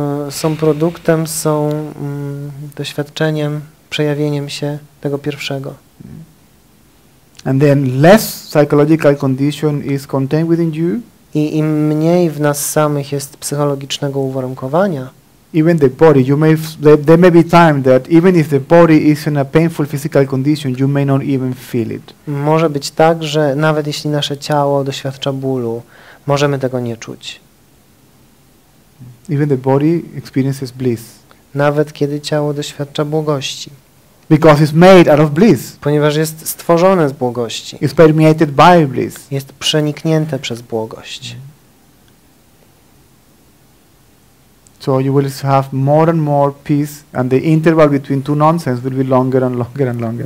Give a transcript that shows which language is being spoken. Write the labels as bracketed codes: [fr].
[pl] Są produktem, są doświadczeniem, przejawieniem się tego pierwszego. [en] And then less psychological condition is contained within you. [pl] I im mniej w nas samych jest psychologicznego uwarunkowania. [en] Even the body, there may be time that even if the body is in a painful physical condition, you may not even feel it. [pl] Może być tak, że nawet jeśli nasze ciało doświadcza bólu, możemy tego nie czuć. [en] Even the body experiences bliss. [pl] Nawet kiedy ciało doświadcza błogości. [en] Because it's made out of bliss. [pl] Ponieważ jest stworzone z błogości. [en] It's permeated by bliss. [pl] Jest przeniknięte przez błogość. [en] So you will have more and more peace, and the interval between two nonsense will be longer and longer and longer.